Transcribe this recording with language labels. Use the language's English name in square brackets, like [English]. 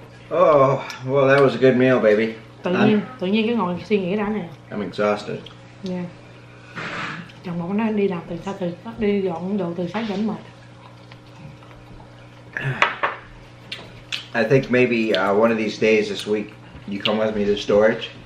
[English] Oh, well that was a good meal, baby. [Vietnamese] Tự nhiên cứ ngồi suy nghĩ đã nè. [English] I'm exhausted. Yeah. [Vietnamese] Chồng bảo nó đi làm từ sáng từ đi dọn đồ từ sáng đến mệt. [English] I think maybe one of these days this week you come with me to storage.